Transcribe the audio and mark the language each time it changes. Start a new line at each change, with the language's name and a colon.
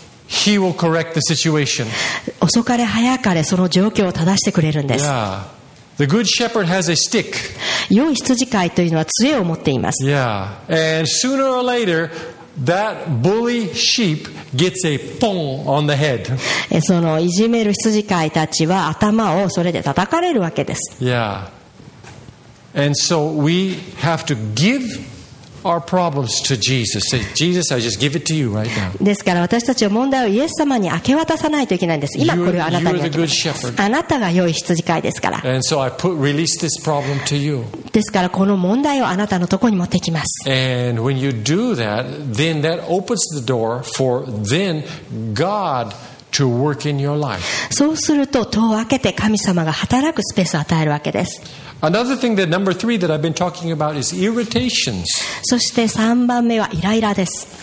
English: He will correct the situation.
Japanese: 遅かれ早かれその状況を正してくれるんです。
English: Yeah. The good shepherd has a stick.
Japanese: 良い羊飼いというのは杖を持っています。
English: Yeah. And sooner or later, that bully sheep gets a pong on the head.
Japanese: そのいじめる羊飼いたちは頭をそれで叩かれるわけです。
English: Yeah. And so we have to give. Our problems to Jesus. Say, Jesus, I just give it to you right now.
Japanese: ですから私たちは問題をイエス様に明け渡さないといけないんです。今これはあなたに明け渡します。あなたが良い羊飼いですから。
English: And so I put release this problem to you.
Japanese: ですからこの問題をあなたのところに持ってきます。
English: And when you do that, then that opens the door for then God. To work in your life.
Japanese: そうすると戸を開けて神様が働くスペースを与えるわけです。
English: Another thing that number three that I've been talking about is irritations.
Japanese: そして3番目はイライラです。